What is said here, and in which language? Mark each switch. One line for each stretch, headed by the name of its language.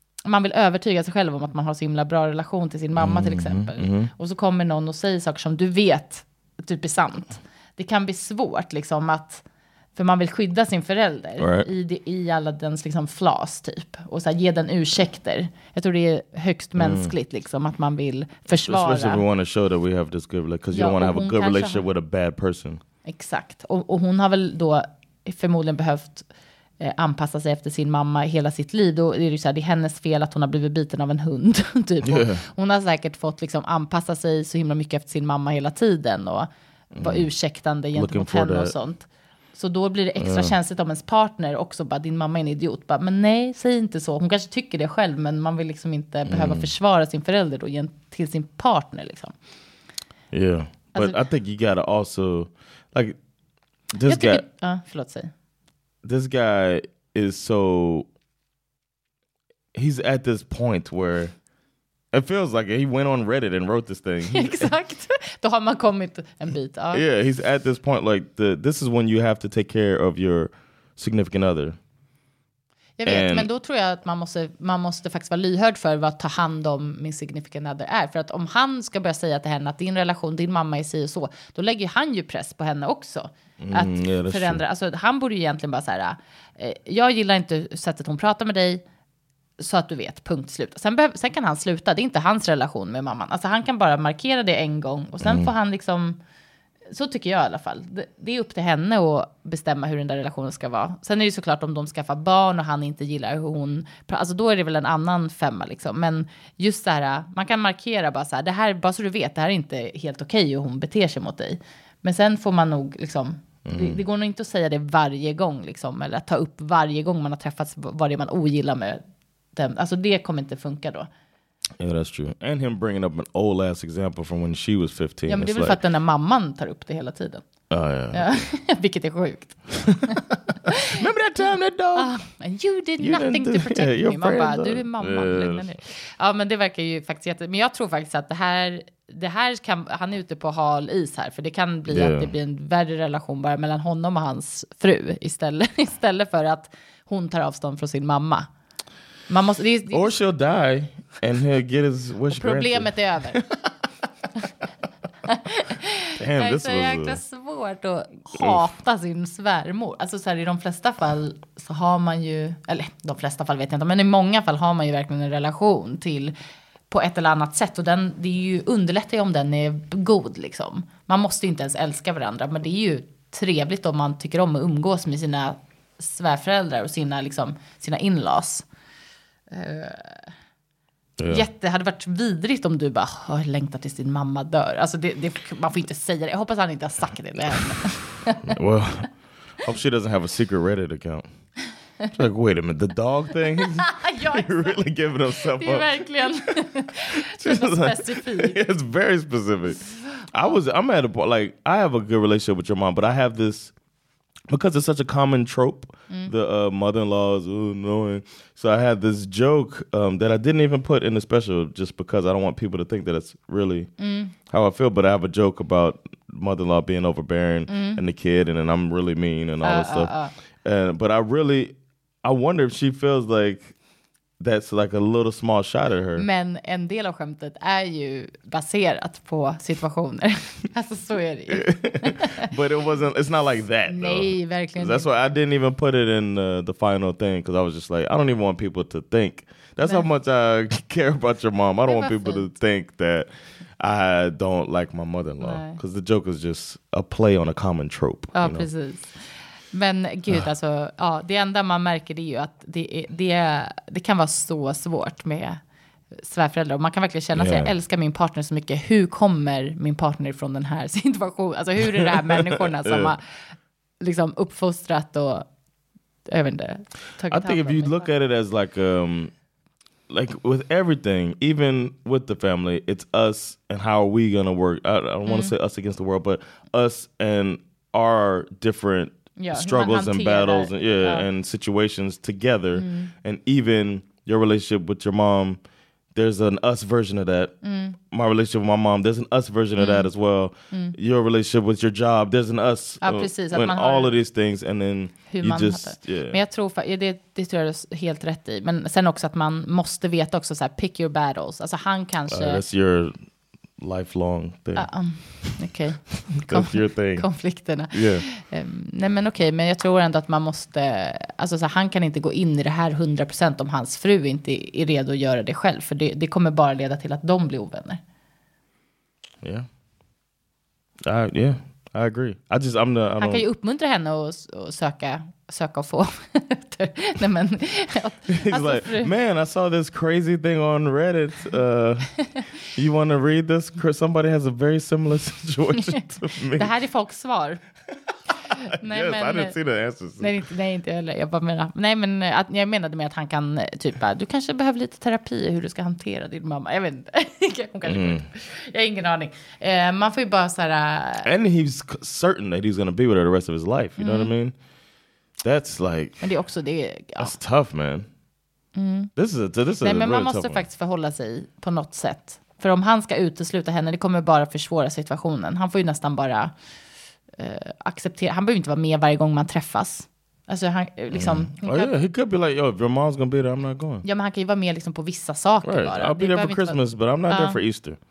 Swedish: Man vill övertyga sig själv om att man har så himla bra relation till sin mamma till exempel. Och så kommer någon och säger saker som du vet typ är sant. Det kan bli svårt liksom att... För man vill skydda sin förälder i alla dens liksom flas typ. Och så här, ge den ursäkter. Jag tror det är högst mänskligt liksom att man vill försvara.
English: Especially if we want to show that we have this good, because you don't want to have a good relationship with a bad person.
Swedish: Exakt. Och hon har väl då förmodligen behövt anpassa sig efter sin mamma hela sitt liv. Då är det ju så här, det är hennes fel att hon har blivit biten av en hund. Typ. Hon har säkert fått liksom anpassa sig så himla mycket efter sin mamma hela tiden. Och vara ursäktande gentemot henne that. Och sånt. Så då blir det extra känsligt om ens partner också bara, din mamma är en idiot. Bara, men nej, säg inte så. Hon kanske tycker det själv, men man vill liksom inte behöva försvara sin förälder då, till sin partner liksom.
English: Yeah, but alltså, I think you gotta also, like, this guy...
Swedish: Förlåt, säg.
English: This guy is so... He's at this point where... It feels like he went on Reddit and wrote this thing.
Swedish: Exakt. Då har man kommit en bit.
English: Yeah, he's at this point. Like, this is when you have to take care of your significant other.
Swedish: Jag vet, men då tror jag att man måste faktiskt vara lyhörd för vad ta hand om min
English: significant other
Swedish: är. För att om han ska börja säga till henne att din relation, din mamma är si och så, då lägger han ju press på henne också. Att förändra. Alltså, han borde ju egentligen bara säga, jag gillar inte sättet hon pratar med dig, så att du vet, punkt, slut. Sen kan han sluta, det är inte hans relation med mamman. Alltså han kan bara markera det en gång och sen får han liksom... Så tycker jag i alla fall. Det är upp till henne att bestämma hur den där relationen ska vara. Sen är det ju såklart om de skaffar barn och han inte gillar hur hon... Alltså då är det väl en annan femma liksom. Men just så här, man kan markera bara så här. Det här, bara så du vet, det här är inte helt okej hur hon beter sig mot dig. Men sen får man nog liksom... Det går nog inte att säga det varje gång liksom. Eller att ta upp varje gång man har träffats vad det är man ogillar med dem. Alltså det kommer inte funka då.
English: Yeah, that's true. And him bringing up an old ass example from when she was 15.
Swedish: Ja, men det är väl för att den där mamman tar upp det hela tiden.
English: Yeah.
Swedish: Vilket är sjukt.
English: Remember that time that dog? You did nothing to protect me.
Swedish: Mamma, du är mamman. Yes. Ja, men det verkar ju faktiskt jätte... Men jag tror faktiskt att det här kan... Han är ute på hal is här. För det kan bli att det blir en värre relation bara mellan honom och hans fru. Istället för att hon tar avstånd från sin mamma. Man måste,
English: or she'll die and he'll get his wish
Swedish: problemet
English: granted.
Swedish: Problemet är över.
English: Damn,
Swedish: det är så jäkla svårt att hata sin svärmor. Alltså så här, i de flesta fall så har man ju, eller de flesta fall vet jag inte, men i många fall har man ju verkligen en relation till på ett eller annat sätt. Och det är ju underlättar ju om den är god liksom. Man måste ju inte ens älska varandra, men det är ju trevligt om man tycker om att umgås med sina svärföräldrar och sina, liksom, sina in-laws. Jätte, hade varit vidrigt om du bara har längtat tills din mamma dör. Alltså det, man får inte säga det. Jag hoppas han inte har sagt det än.
English: Well, hope she doesn't have a secret Reddit account. She's like, wait a minute, the dog thing? You're really giving himself up. Det är verkligen specifikt. It's very specific. I'm at a point, like, I have a good relationship with your mom, but I have this... Because it's such a common trope, the mother-in-law is annoying. So I had this joke that I didn't even put in the special just because I don't want people to think that it's really how I feel. But I have a joke about mother-in-law being overbearing and the kid, and then I'm really mean and all this stuff. But I wonder if she feels like that's like a little small shot at her.
Swedish: Men en del av skämtet är ju baserat på situationer. Alltså så är det ju.
English: But it's not like that.
Swedish: Nej, verkligen.
English: That's why I didn't even put it in the final thing, because I was just like, I don't even want people to think. That's how much I care about your mom. I don't want people to think that I don't like my mother-in-law. Because the joke is just a play on a common trope.
Swedish: Ja, precis. Men gud, alltså, ja, det enda man märker är ju att det kan vara så svårt med svärföräldrar. Man kan verkligen känna sig, jag älskar min partner så mycket. Hur kommer min partner från den här situationen? Alltså hur är det här människorna som har liksom uppfostrat och, jag vet inte, tagit hand om?
English: I think if you look at it as like with everything, even with the family, it's us and how are we gonna work. I don't want to say us against the world, but us and our different struggles and battles and situations together. And even your relationship with your mom, there's an us version of that. My relationship with my mom, there's an us version of that as well. Your relationship with your job, there's an us
Swedish: precis,
English: when man all of these things, and then you just
Swedish: Men jag tror det tror jag helt rätt i, men sen också att man måste veta också så här,
English: pick your battles.
Swedish: Alltså han kanske
English: That's your lifelong thing. Okay. That's your thing.
Swedish: Konflikterna.
English: Yeah.
Swedish: Nej, men okej, men jag tror ändå att man måste, alltså så här, han kan inte gå in i det här 100% om hans fru inte är redo att göra det själv, för det kommer bara leda till att de blir ovänner.
English: Yeah, I agree.
Swedish: Han kan ju uppmuntra henne och söka och få. Nej, men
English: he's alltså, like, man, I saw this crazy thing on Reddit. You want to read this? Somebody has a very similar situation to me.
Swedish: Det här är folks svar.
English: Nej, yes, men, I didn't see the answers.
Swedish: Nej, inte heller. Jag bara menar, jag menade med att han kan typ, du kanske behöver lite terapi hur du ska hantera din mamma. Jag vet inte. Jag har ingen aning. Man får ju bara så här.
English: And he's certain that he's going to be with her the rest of his life. You know what I mean? That's like,
Swedish: men det är också det. Ja.
English: That's tough, man. This is
Swedish: nej, men
English: really
Swedish: man måste faktiskt förhålla sig på något sätt. För om han ska utesluta henne, det kommer bara försvåra situationen. Han får ju nästan bara acceptera. Han behöver inte vara med varje gång man träffas. Alltså han liksom
English: he could be like, yo, if your mom's gonna be there, I'm not going.
Swedish: Ja, men han kan ju vara med liksom på vissa saker,
English: right,
Swedish: bara.
English: I'll be there for Christmas, but I'm not there for Easter.